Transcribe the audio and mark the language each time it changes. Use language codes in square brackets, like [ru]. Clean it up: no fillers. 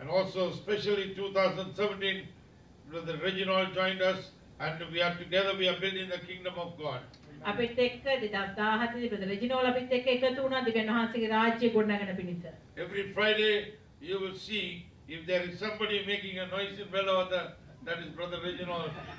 [en] And also especially 2017 Brother Reginald joined us and we are together we are building the kingdom of God. [si] අපිත් එක්ක 2017 Brother Reginald අපිත් එක්ක එකතු වුණා දිව්‍යන් වහන්සේගේ රාජ්‍ය ගොඩනගන පිණිස. [en] Every Friday you will see if there is somebody making a noise in Wellawatta that is Brother Reginald.